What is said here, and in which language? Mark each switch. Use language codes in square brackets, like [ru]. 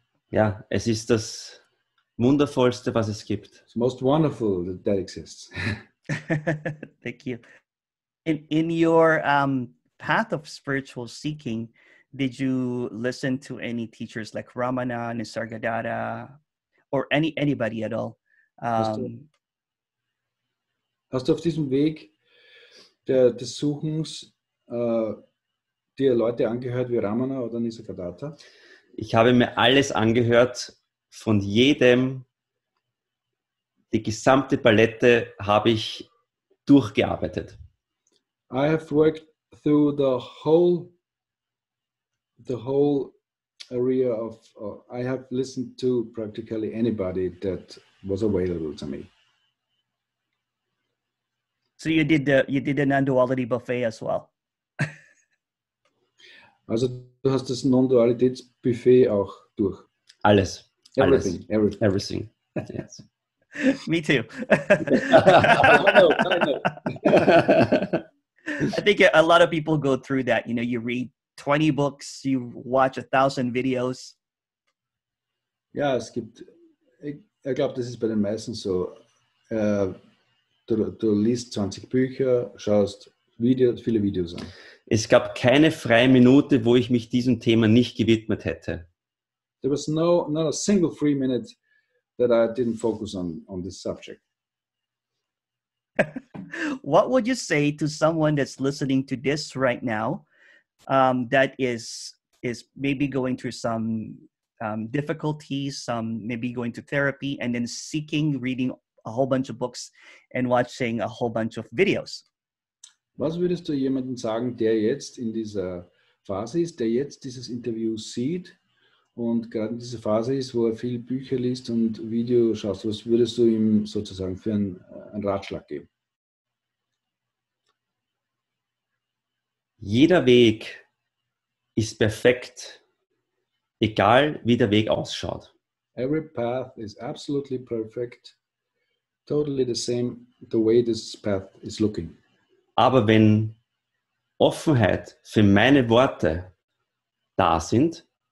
[de] Ja, es ist das Wundervollste, was es gibt. [en] It's most wonderful that exists. Thank you. In your path of spiritual seeking, did you listen to any teachers like Ramana, Nisargadatta, or anybody at all? [de] Hast du auf diesem Weg des Suchens dir Leute angehört wie Ramana oder Nisargadatta? Ich habe mir alles angehört, von jedem, die gesamte Palette habe ich durchgearbeitet. [en] I have worked through the whole area of, I have listened to practically anybody that was available to me. So you did the non-duality buffet as well. [de] Also du hast das Non-Dualitätsbuffet auch durch. Alles. [en] Everything. Everything. Yes. Me too. I know. I think a lot of people go through that. You know, you read 20 books, you watch 1,000 videos. [de] Yeah, es gibt, ich glaube, das ist bei den meisten so. Du liest 20 Bücher, schaust Videos, viele Videos an. Es gab keine freie Minute, wo ich mich diesem Thema nicht gewidmet hätte. [en] There was not a single free minute that I didn't focus on this subject. What would you say to someone that's listening to this right now, that is maybe going through some difficulties, some maybe going to therapy, and then seeking reading a whole bunch of books and watching a whole bunch of videos? [de] Was würdest du jemandem sagen, der jetzt in dieser Phase ist, der jetzt dieses Interview sieht und gerade in dieser Phase ist, wo er viel Bücher liest und Videos schaust, was würdest du ihm sozusagen für einen Ratschlag geben? Jeder Weg ist perfekt, egal wie der Weg ausschaut. [en] Every path is absolutely perfect, totally the same the way this path is looking. [de] Aber wenn Offenheit für meine Worte da sind,